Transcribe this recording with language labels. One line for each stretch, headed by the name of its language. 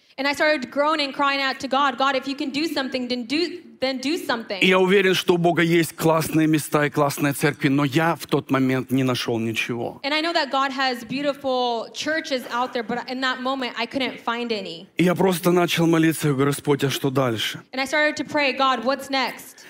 English: And I started groaning, crying out to God, God, if you can do something, then do something.
Russian: И я уверен, что у Бога есть классные места и классные церкви, но я в тот момент не нашел ничего.
English: And I know that God has beautiful churches out there, but in that moment, I couldn't find any.
Russian: И я просто начал молиться, говорю, Господь, а что дальше?
English: And I started to pray, God, what's next?